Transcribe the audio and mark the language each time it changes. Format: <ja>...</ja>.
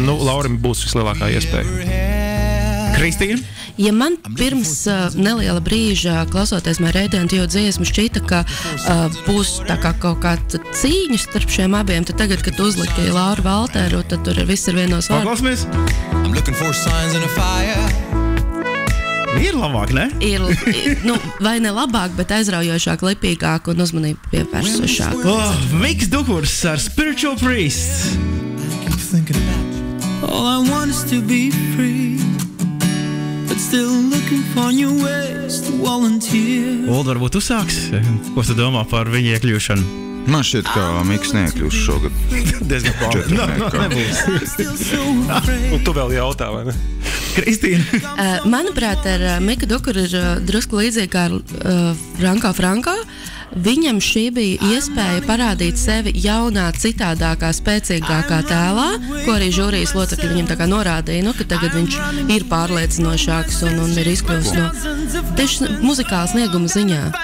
<lv>Nu, Laurim būs vislielākā iespēja. Kristīna? Ja man pirms neliela brīža klausoties mani Radiant You dziesmu šķita, ka būs tā kā kaut kāds cīņas starp šiem abiem, tad tagad, kad uzlika Lauru Valteru, tad tur viss ir vienos vārds. Paklausamies!</lv> <en>I'm looking for signs in a fire.</en> <lv>Ir labāk, ne? Ir, nu, vai ne labāk, bet aizraujošāk, lepīgāk un uzmanību pievērsušāk. Oh, Miks Dukurs ar Spiritual Priest.</lv> <en>All I want is to be free, but still looking for new ways to volunteer.</en> <lv>Old, varbūt tu sāks? Ko tu domā par viņa iekļūšanu? Man šķiet, ka Miks neiekļūs šogad. Diezgan pārāk. Četrniekā. Un tu vēl jautā, vai ne? Kristīna. Manuprāt, ar Mika Dukuru ir drusku līdzīgi kā ar Franco Franco. Viņam šī bija iespēja parādīt sevi jaunā, citādākā, spēcīgākā tēlā, ko arī žūrijas locekļi viņam tā kā norādīja, nu, ka tagad viņš ir pārliecinošāks un ir izkļūst no tieši muzikālas snieguma ziņā.</lv>